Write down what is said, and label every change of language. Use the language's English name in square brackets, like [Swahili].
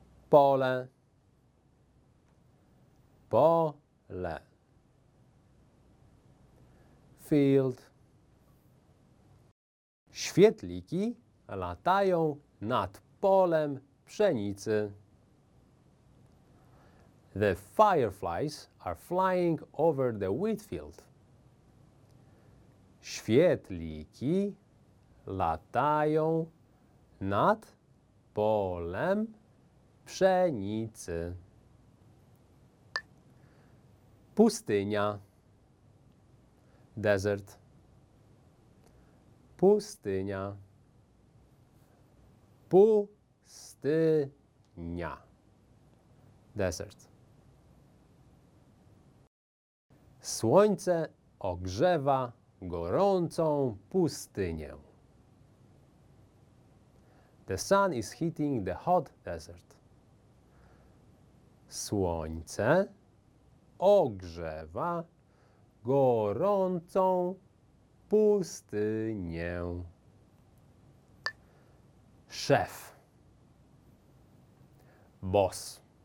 [Polish] Pole. Pole. [English] Field. [Polish] Świetliki latają nad polem pszenicy. [English] The fireflies are flying over the wheat field. [Polish] Świetliki latają nad polem pszenicy. Pustynia. Desert. Pustynia. Pustynia. Desert. Słońce ogrzewa gorącą pustynię. [English] The sun is heating the hot desert. [Polish] Słońce ogrzewa gorącą pustynię. Szef. [English] Boss.